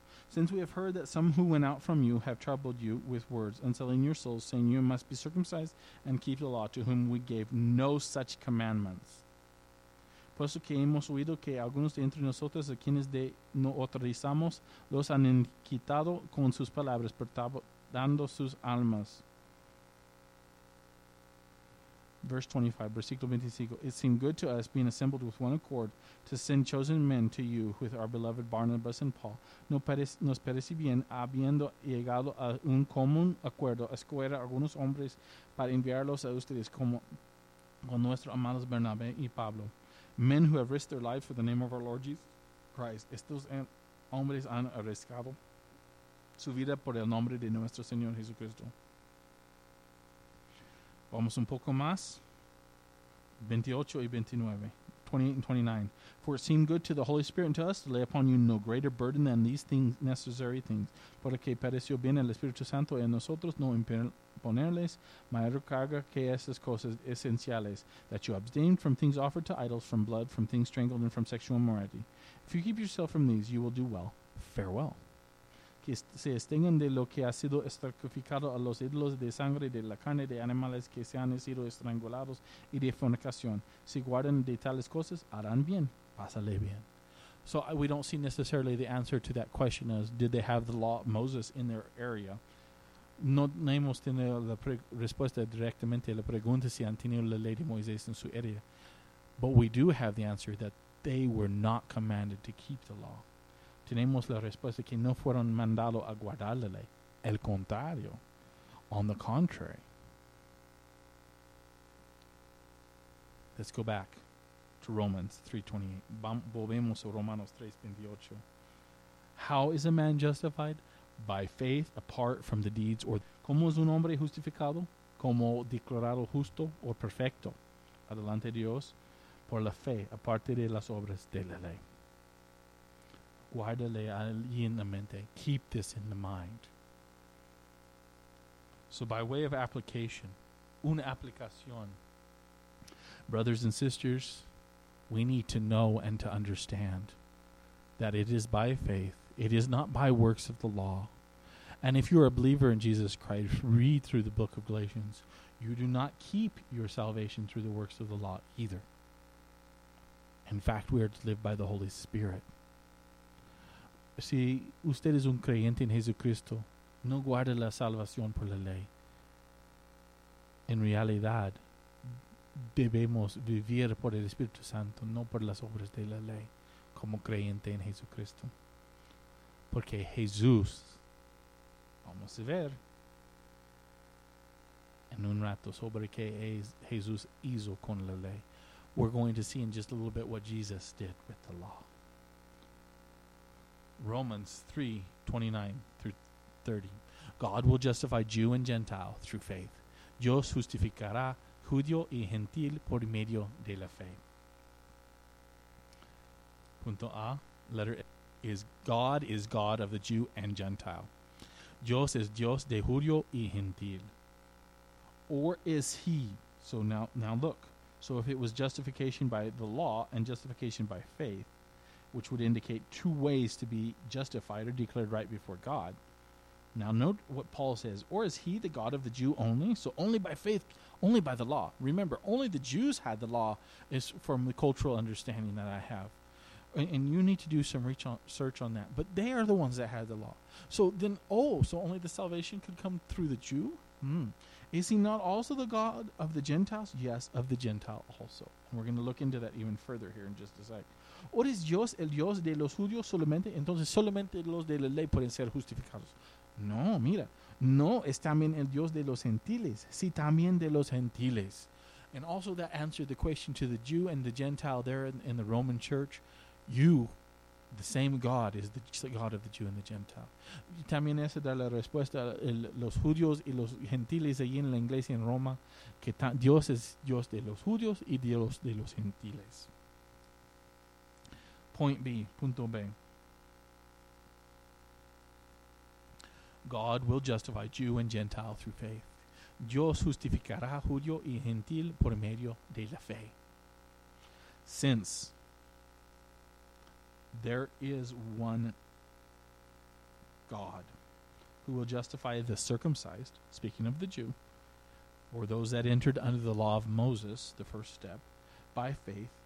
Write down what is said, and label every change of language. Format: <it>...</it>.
<en>Since we have heard that some who went out from you have troubled you with words, unsettling your souls, saying you must be circumcised and keep the law, to whom we gave no such commandments.</en> <es>Por eso que hemos oído que algunos de entre nosotros, a quienes de no autorizamos, los han quitado con sus palabras, perturbando sus almas.</es> <en>Verse 25,</en> <es>versículo 25.</es> <en>It seemed good to us, being assembled with one accord, to send chosen men to you with our beloved Barnabas and Paul.</en> <es>Nos pareció bien, habiendo llegado a un común acuerdo, escoger a algunos hombres para enviarlos a ustedes como con nuestros amados Bernabé y Pablo.</es> <en>Men who have risked their lives for the name of our Lord Jesus Christ.</en> <es>Estos hombres han arriesgado su vida por el nombre de nuestro Señor Jesucristo. Vamos un poco más. 28 y 29.</es> <en>28 and 29. For it seemed good to the Holy Spirit and to us to lay upon you no greater burden than these things, necessary things.</en> <es>Porque pareció bien el Espíritu Santo en nosotros no imponerles mayor carga que esas cosas esenciales,</es> <en>that you abstain from things offered to idols, from blood, from things strangled, and from sexual immorality. If you keep yourself from these, you will do well. Farewell.</en> <es>Que se abstengan de lo que ha sido sacrificado a los ídolos, de sangre, de la carne, de animales que se han sido estrangulados y de fornicación. Si guardan de tales cosas, harán bien. Pásale bien.</es> <en>So we don't see necessarily the answer to that question as did they have the law of Moses in their area.</en> <es>No hemos tenido la respuesta directamente a la pregunta si han tenido la ley de Moisés en su área.</es> <en>But we do have the answer that they were not commanded to keep the law.</en> <es>Tenemos la respuesta que no fueron mandados a guardar la ley. El contrario.</es> <en>On the contrary. Let's go back to Romans 3:28.</en> <es>Volvemos a Romanos 3:28.</es> <en>How is a man justified? By faith, apart from the deeds.</en> <es>¿Cómo es un hombre justificado? Como declarado justo o perfecto. Adelante Dios. Por la fe, aparte de las obras de la ley. Guárdale allí en la mente.</es> <en>Keep this in the mind. So by way of application,</en> <es>una aplicación.</es> <en>Brothers and sisters, we need to know and to understand that it is by faith. It is not by works of the law. And if you are a believer in Jesus Christ, read through the book of Galatians. You do not keep your salvation through the works of the law either. In fact, we are to live by the Holy Spirit.</en> <es>Si usted es un creyente en Jesucristo, no guarda la salvación por la ley. En realidad, debemos vivir por el Espíritu Santo, no por las obras de la ley, como creyente en Jesucristo. Porque Jesús, vamos a ver en un rato sobre qué Jesús hizo con la ley.</es> <en>We're going to see in just a little bit what Jesus did with the law. Romans 3:29-30. God will justify Jew and Gentile through faith.</en> <es>Dios justificará judío y gentil por medio de la fe. Punto A,</es> <en>letter A, is God is God of the Jew and Gentile.</en> <es>Dios es Dios de judío y gentil.</es> <en>Or is he? So now look. So if it was justification by the law and justification by faith, which would indicate two ways to be justified or declared right before God. Now note what Paul says. Or is he the God of the Jew only? So only by faith, only by the law. Remember, only the Jews had the law is from the cultural understanding that I have. And you need to do some research on that. But they are the ones that had the law. So then, so only the salvation could come through the Jew? Is he not also the God of the Gentiles? Yes, of the Gentile also. And we're going to look into that even further here in just a sec.</en> <es>¿O es Dios el Dios de los judíos solamente? Entonces solamente los de la ley pueden ser justificados. No, mira. No es también el Dios de los gentiles. Sí, también de los gentiles.</es> <en>And also that answered the question to the Jew and the Gentile there in the Roman church. You, the same God, is the God of the Jew and the Gentile.</en> <es>También esa da la respuesta a los judíos y los gentiles allí en la iglesia en Roma. Que Dios es Dios de los judíos y Dios de los gentiles.</es> <en>Point B,</en> <es>punto B.</es> <en>God will justify Jew and Gentile through faith.</en> <es>Dios justificará judío y gentil por medio de la fe.</es> <en>Since there is one God who will justify the circumcised, speaking of the Jew, or those that entered under the law of Moses, the first step, by faith,</en>